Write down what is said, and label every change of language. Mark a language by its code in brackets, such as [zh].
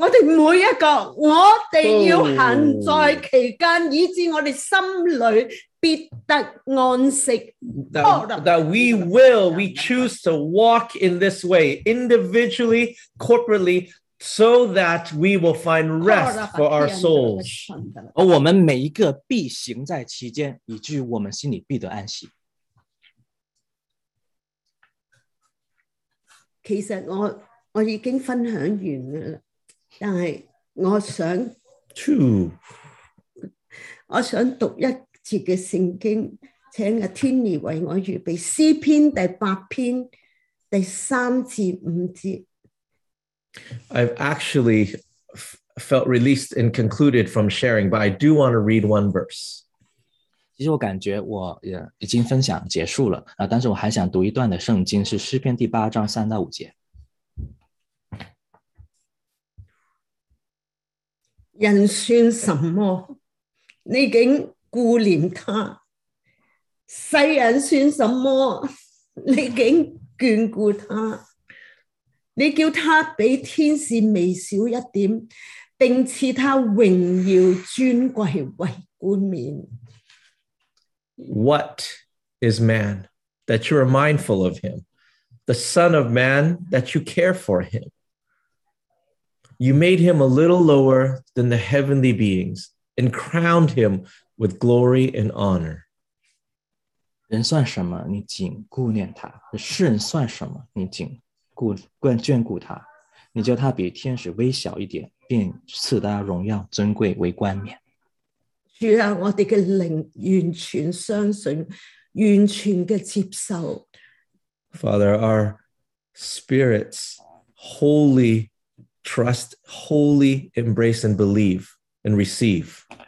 [zh] 我们每一个要行在其间，以致我们心里必得安息。 [en] That we choose to walk in this way, individually, corporately, so that we will find rest for our souls. [zh] 而我们每一个必行在其间，以致我们心里必得安息。其实我已经分享完了，但是我想 [en] True. [zh] 我想读一节的圣经，请 Tini 为我预备诗篇第八篇第三至五节。 [en] I've actually felt released and concluded from sharing, but I do want to read one verse. [zh] 其实我感觉我也已经分享结束了，但是我还想读一段的圣经，是诗篇第八章三到五节。人算什么？你竟顾念他？世人算什么？你竟眷顾他？你叫他比天使微小一点，并赐他荣耀尊贵为冠冕。 [en] What is man that you are mindful of him? The son of man that you care for him? You made him a little lower than the heavenly beings and crowned him with glory and honor. [zh] 人算什么？你竟顾念他？世人算什么？你竟眷顾他，你叫他比天使微小一点，便赐他荣耀尊贵为冠冕。主啊，我们的灵完全相信，完全的接受。 [en] Father, our spirits wholly trust, wholly embrace and believe and receive.